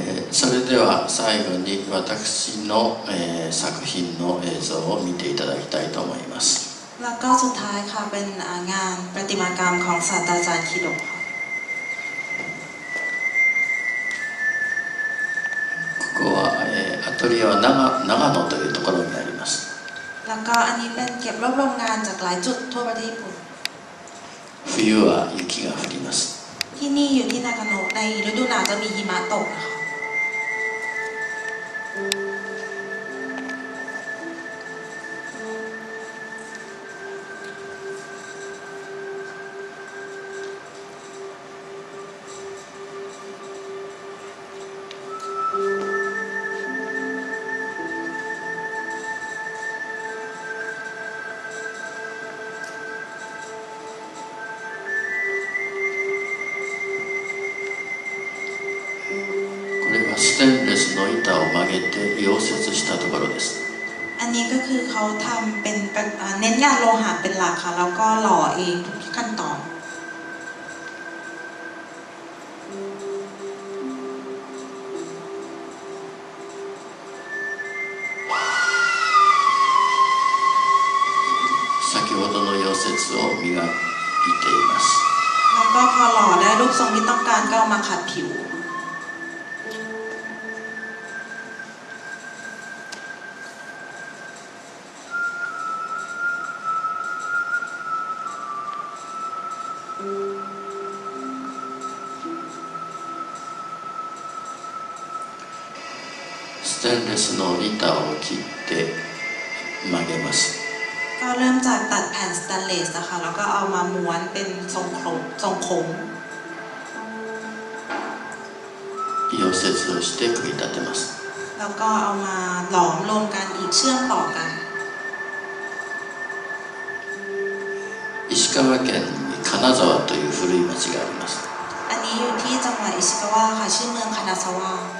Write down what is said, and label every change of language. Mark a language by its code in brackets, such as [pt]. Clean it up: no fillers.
[ja] それでは最後に私の作品の映像を見ていただきたいと思います。 [th] แล้วก็สุดท้ายค่ะเป็นงานประติมากรรมของศาสตราจารย์คิโดะ [ja] ここはアトリエは長野というところになります。 [th] แล้วก็อันนี้เป็นเก็บรวบรวมงานจากหลายจุดทั่วประเทศญี่ปุ่น [ja] 冬は雪が降ります。 [th] ที่นี่อยู่ที่นากาโนะในฤดูหนาวจะมีหิมะตก [ja] ステンレスの板を曲げて溶接したところです。 [th] อันนี้ก็คือเขาทำเป็นเน้นงานโลหะเป็นหลักค่ะแล้วก็หล่อเองทุกขั้นตอน [ja] さきほどの溶接を磨くいています。 [th] แล้วก็พอหล่อได้รูปทรงที่ต้องการก็มาขัดผิว [ja] ステンレスの板を切って曲げます。 [th] ก็เริ่มจากตัดแผ่นสแตนเลสนะคะแล้วก็เอามาม้วนเป็นทรงโค้งทรงโค้ง [ja] 溶接をして組み立てます。 [th] แล้วก็เอามาหลอมรวมกันอีกเชื่อมต่อกัน [ja] 石川県金沢という古い町があります。 [th] อันนี้อยู่ที่จังหวัด石川ค่ะชื่อเมืองคานาซาวะ